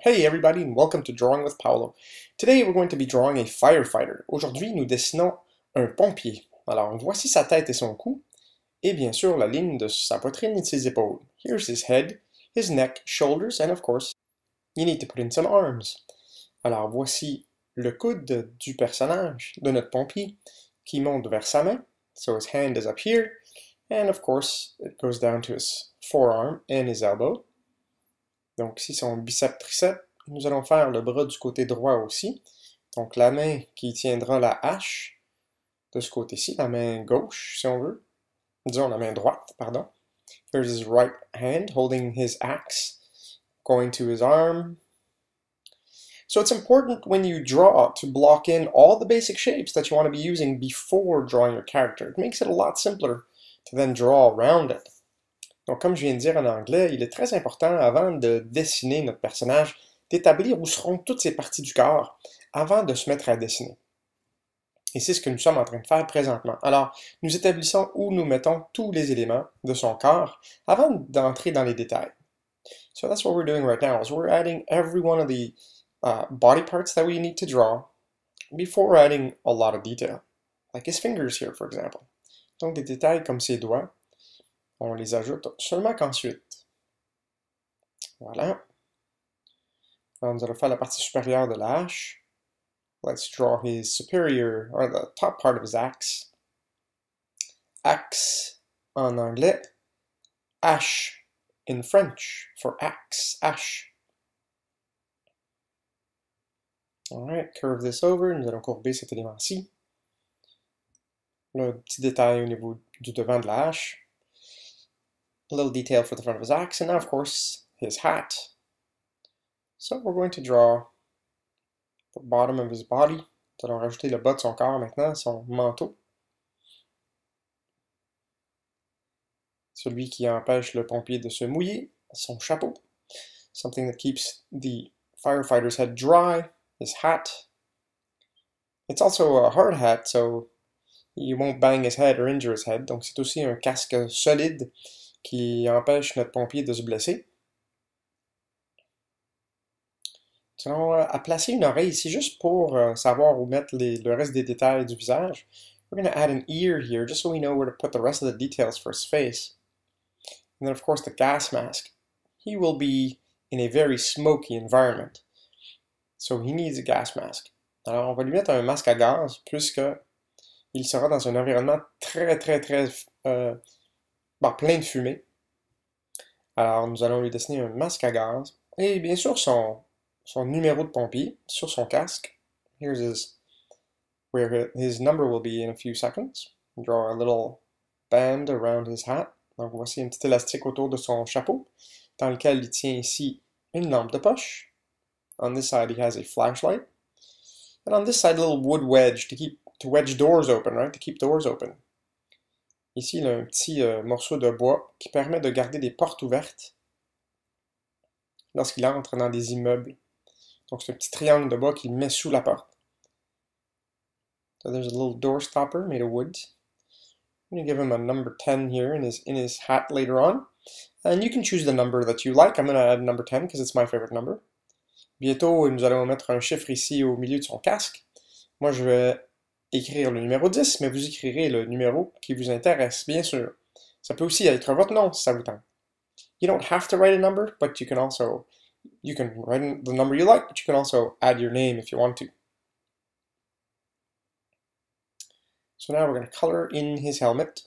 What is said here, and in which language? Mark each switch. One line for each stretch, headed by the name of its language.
English: Hey everybody and welcome to Drawing with Paolo. Today we're going to be drawing a firefighter.
French: Aujourd'hui, nous dessinons un pompier. Alors, voici sa tête et son cou, et bien sûr la ligne de sa poitrine et de ses épaules.
English: Here's his head, his neck, shoulders, and of course, you need to put in some arms.
French: Alors, voici le coude du personnage, de notre pompier, qui monte vers sa main.
English: So his hand is up here, and of course, it goes down to his forearm and his elbow.
French: Donc ici son bicep tricep, nous allons faire le bras du côté droit aussi. Donc la main qui tiendra la hache de ce côté-ci, la main gauche si on veut. Disons la main droite, pardon.
English: Here's his right hand holding his axe, going to his arm. So it's important when you draw to block in all the basic shapes that you want to be using before drawing your character. It makes it a lot simpler to then draw around it.
French: Donc, comme je viens de dire en anglais, il est très important, avant de dessiner notre personnage, d'établir où seront toutes ses parties du corps avant de se mettre à dessiner. Et c'est ce que nous sommes en train de faire présentement. Alors, nous établissons où nous mettons tous les éléments de son corps avant d'entrer dans les détails.
English: So that's what we're doing right now, is we're adding every one of the body parts that we need to draw before adding a lot of detail. Like his fingers here, for example.
French: Donc, des détails comme ses doigts. On les ajoute seulement qu'ensuite. Voilà. Alors, nous allons faire la partie supérieure de la hache.
English: Let's draw his superior, or the top part of his axe. Axe
French: en anglais.
English: Ash in French for axe. Ash. Alright, curve this over.
French: Nous allons courber cet élément-ci. Le petit détail au niveau du devant de la hache.
English: A little detail for the front of his axe, and now, of course, his hat. So we're going to draw the bottom of his body.
French: Nous allons rajouter le bas de son corps maintenant, son manteau. Celui qui empêche le pompier de se mouiller, son chapeau.
English: Something that keeps the firefighter's head dry, his hat. It's also a hard hat, so he won't bang his head or injure his head.
French: Donc c'est aussi un casque solide qui empêche notre pompier de se blesser. Nous allons placer une oreille ici juste pour savoir où mettre le reste des détails du visage.
English: We're going to add an ear here just so we know where to put the rest of the details for his face. And then of course the gas mask. He will be in a very smoky environment. So he needs a gas mask.
French: Alors on va lui mettre un masque à gaz puisque il sera dans un environnement très plein de fumée. Alors, nous allons lui dessiner un masque à gaz. Et bien sûr, son numéro de pompier sur son casque.
English: Here's where his number will be in a few seconds. Draw a little band around his hat.
French: Donc, voici un petit élastique autour de son chapeau, dans lequel il tient ici une lampe de poche.
English: On this side, he has a flashlight. And on this side, a little wood wedge to wedge doors open, right? To keep doors open.
French: Ici, il a un petit morceau de bois qui permet de garder des portes ouvertes lorsqu'il entre dans des immeubles. Donc, c'est un petit triangle de bois qu'il met sous la porte.
English: So there's a little door stopper made of wood. I'm going to give him a number 10 here in his hat later on. And you can choose the number that you like. I'm going to add number 10 because it's my favorite number.
French: Bientôt, nous allons mettre un chiffre ici au milieu de son casque. Moi, je vais écrire le numéro 10, mais vous écrirez le numéro qui vous intéresse, bien sûr. Ça peut aussi être votre nom, si ça vous tente.
English: You don't have to write a number, but you can write the number you like, but you can also add your name if you want to. So now we're going to color in his helmet.